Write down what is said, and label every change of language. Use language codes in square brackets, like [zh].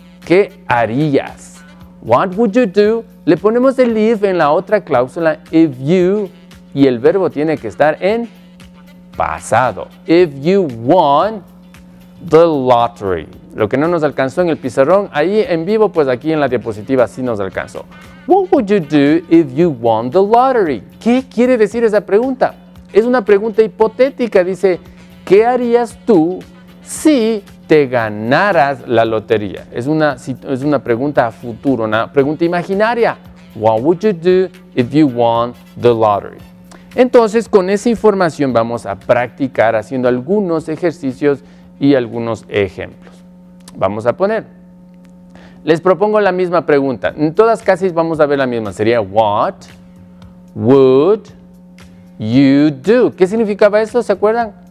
[es] ¿Qué harías? [en] What would you do? [es] Le ponemos el if en la otra cláusula. [en] If you... [es] Y el verbo tiene que estar en pasado. [en] If you won the lottery. [es] Lo que no nos alcanzó en el pizarrón, ahí en vivo, pues aquí en la diapositiva sí nos alcanzó. [en] What would you do if you won the lottery? [es] ¿Qué quiere decir esa pregunta? Es una pregunta hipotética. Dice, ¿qué harías tú si te ganaras la lotería? Es una pregunta a futuro, una pregunta imaginaria. [en] What would you do if you won the lottery? [es] Entonces, con esa información vamos a practicar haciendo algunos ejercicios y algunos ejemplos. Vamos a poner. Les propongo la misma pregunta. En todas casi vamos a ver la misma. Sería [en] what would you do? [es] ¿Qué significaba eso? ¿Se acuerdan?